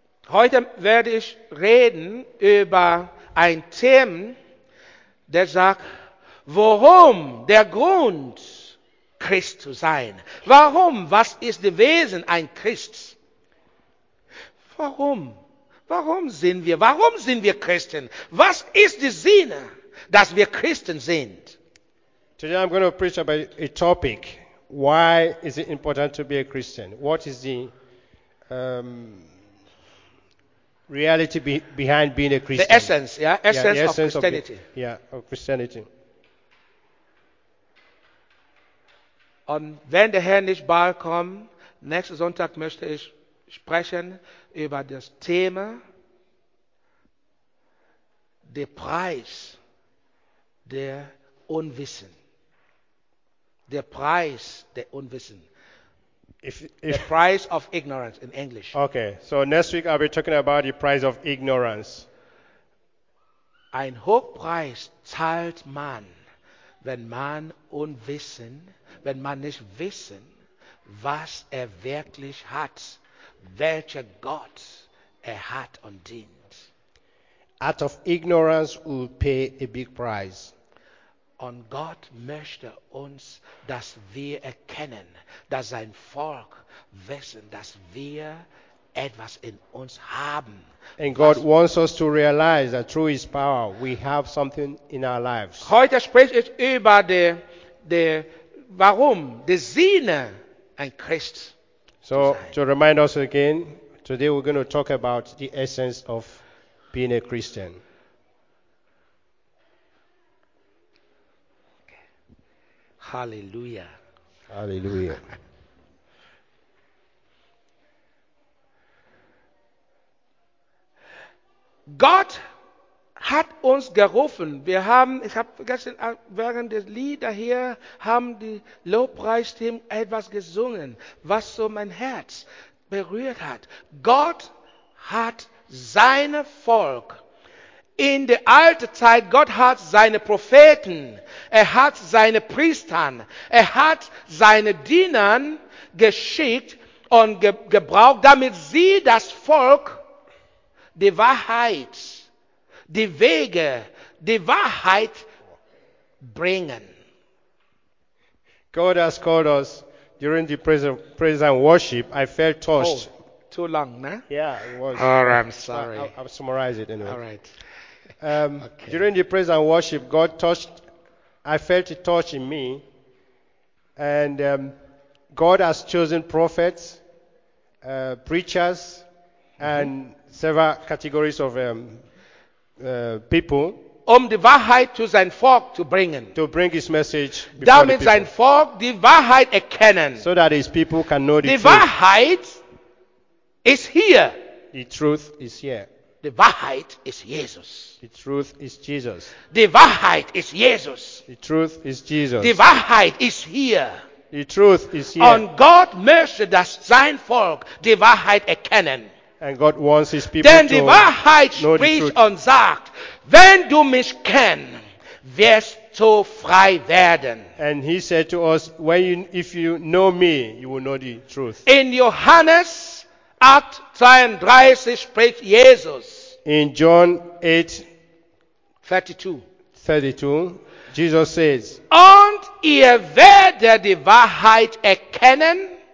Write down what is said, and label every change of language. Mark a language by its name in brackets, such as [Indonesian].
[German] Heute werde ich reden über ein Thema, der sagt, warum der Grund Christ zu sein. Warum? Was ist das Wesen ein Christ? Warum? Warum sind wir Christen? Was ist der Sinn, dass wir Christen sind? [English] Today I'm going to preach about a topic. Why is it important to be a Christian? What is the reality behind being a Christian? The essence, yeah? Essence, yeah, the essence of Christianity. Of Christianity. [German] Und wenn der Herr nicht bald kommt, nächsten Sonntag möchte ich sprechen über das Thema der Preis der Unwissen. Der Preis der Unwissen. [English] The price of ignorance in English. Okay, so next week I'll be talking about the price of ignorance. [German] Ein Hochpreis zahlt man, wenn man unwissen, wenn man nicht wissen, was wirklich hat. Welcher Gott hat und dient. [English] Out of ignorance will pay a big price. [German] Und Gott möchte uns, dass wir erkennen, dass sein Volk wissen, dass wir etwas in uns haben. [English] And God wants us to realize that through his power we have something in our lives. [German] Heute spreche ich über den Sinn ein Christ. [English] So, to remind us again, today we're going to talk about the essence of being a Christian. Halleluja. Halleluja. [German] Gott hat uns gerufen. Wir haben, ich habe gestern während des Lieder hier, haben die Lobpreisteam etwas gesungen, was so mein Herz berührt hat. Gott hat seine Volk in der alten Zeit, Gott hat seine Propheten, er hat seine Priestern, er hat seine Dienern geschickt und gebraucht, damit sie das Volk die Wahrheit, die Wege, die Wahrheit bringen. [English] God has called us during the prison worship. I felt touched. Oh, too long, no? Yeah, it was. Oh, I'm sorry. I'll summarize it anyway. All right. Okay. During the prison worship, God touched. I felt a touch in me. And God has chosen prophets, preachers, and several categories of people, [German] Die Wahrheit zu sein Volk zu bringen. [English] To bring his message [German] before damit [English] the people. [German] Sein Volk die Wahrheit erkennen. [English] So that his people can know the [German] die [English] truth. [German] Die Wahrheit ist hier. [English] The truth is here. [German] Die Wahrheit ist Jesus. [English] The truth is Jesus. [German] Die Wahrheit ist Jesus. [English] The truth is Jesus. [German] Die Wahrheit ist hier. [English] The truth is here. [German] Und Gott möchte, dass sein Volk die Wahrheit erkennen. [English] And God wants his people then to [German] die Wahrheit spricht und sagt, wenn du mich kennst, wirst du frei werden. [English] And he said to us, if you know me, you will know the truth. [German] In Johannes 8:32 spricht Jesus. [English] In John 8:32, Jesus says, [German] und ihr werdet die Wahrheit erkennen.